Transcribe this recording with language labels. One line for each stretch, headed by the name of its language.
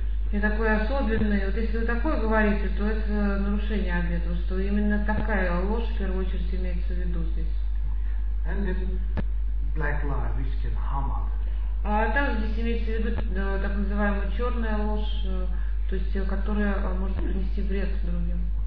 Russian: Я такой особенный. Вот если вы такое говорите, то это нарушение обета, что именно такая ложь в первую очередь имеется в виду здесь.
English: And then black lie, which can harm others.
Russian: А также здесь имеется в виду так называемая черная ложь, то есть которая может принести вред другим.